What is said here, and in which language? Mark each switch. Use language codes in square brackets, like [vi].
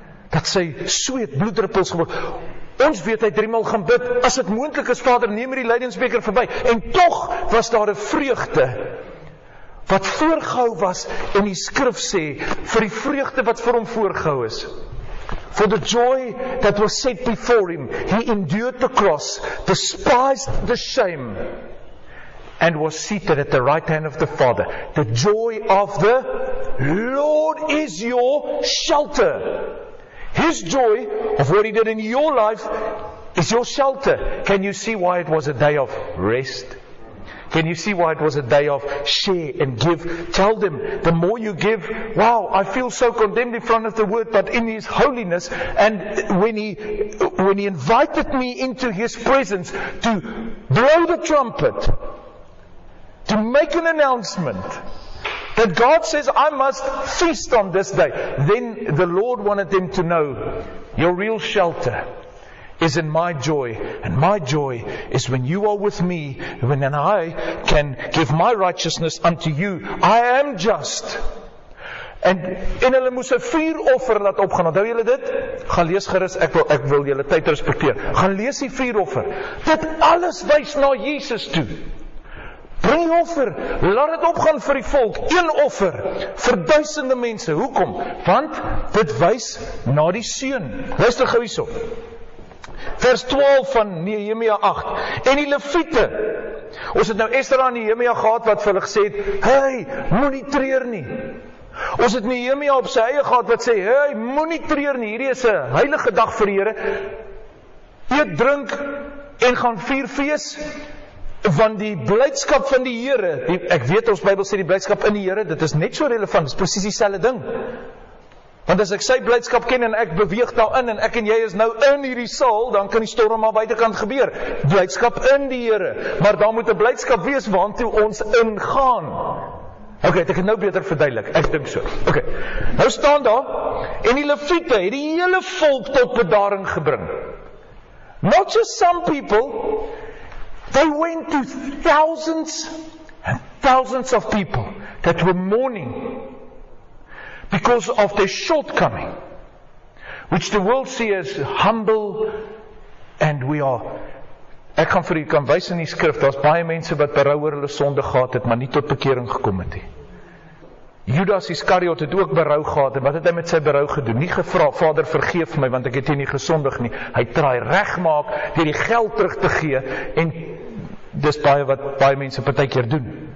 [af] Dat sy sweet bloeddruppels geword. Ons weet hy 3 maal gaan bid, as dit moontlik is Vader, neem hierdie lydingsbeker verby. En tog was daar 'n vreugde wat voorgehou was, en die skrif sê, vir die vreugde wat vir hom voorgehou is. [en] For the joy that was set before him, he endured the cross, despised the shame, and was seated at the right hand of the Father. The joy of the Lord is your shelter. His joy of what he did in your life is your shelter. Can you see why it was a day of rest? Can you see why it was a day of share and give? Tell them, the more you give, wow, I feel so condemned in front of the word, but in His holiness, and when He invited me into His presence to blow the trumpet, to make an announcement, that God says, I must feast on this day, then the Lord wanted them to know, your real shelter is in my joy, and my joy is when you are with me, when then I can give my righteousness unto you. I am just. [af] En hulle moes 'n vuuroffer laat opgaan. Onthou julle dit? Gaan lees gerus, ek wil julle tyd respekteer. Gaan lees die vuuroffer. Dit alles wys na Jesus toe. Bring die offer, laat dit opgaan vir die volk. Een offer vir duisende mense. Hoekom? Want dit wys na die Seun. Luister gou hierop. Vers 12 van Nehemia 8. En die Leviete, ons het nou Esdra en Nehemia gehad wat vir hulle gesê het, hey, moenie treur nie. Ons het Nehemia op sy eie gehad wat sê, hey, moenie treur nie, hierdie is 'n heilige dag vir die Here. eet, drink en gaan vier fees, want die blydskap van die Here, ek weet ons Bybel sê die blydskap in die Here, dit is net so relevant, dit is presies dieselfde ding. Want as ek sy blydskap ken en ek beweeg daarin en ek en jy is nou in hierdie saal, dan kan die storm maar buitenkant gebeur. Blydskap in die Here, maar daar moet 'n blydskap wees waantoe ons ingaan. Ok, het ek het nou beter verduidelik, ek dink so. Ok, nou staan daar, en die Levite het die hele volk tot bedaring gebring. [en] Not just some people, they went to thousands and thousands of people that were mourning because of their shortcoming, which the world see as humble and we are. [af] Ek gaan vir u kan wys in die skrif, daar's baie mense wat berou oor hulle sonde gehad het, maar nie tot bekering gekom het nie. Judas Iskariot het ook berou gehad, en wat het hy met sy berou gedoen? Nie gevra, Vader vergeef my, want ek het hier nie gesondig nie. Hy traai regmaak, die geld terug te gee, en dis baie wat baie mense partykeer doen.